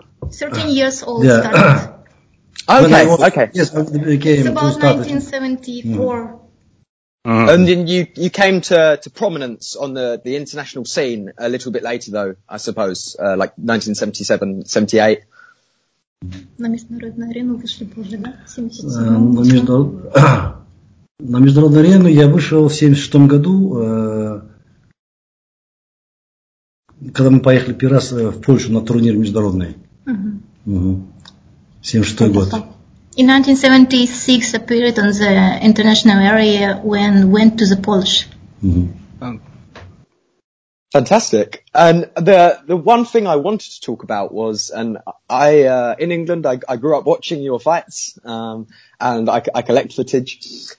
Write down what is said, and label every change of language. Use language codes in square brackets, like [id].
[en] 13 years old, yeah. Started. Okay, okay. Yes, I became it's about 1974. Mm-hmm. And then you came to prominence on the international scene a little bit later, though, I suppose, like 1977, 78. [ru] На международную арену вышли позже, да? На международную арену я вышел в 76-м году, когда мы поехали первый раз в Польшу на турнир международный. 76-й год. [en] In 1976, appeared on the international area when went to the Polish. Mm-hmm. Fantastic. And the one thing I wanted to talk about was, and I in England, I grew up watching your fights, and I collect footage.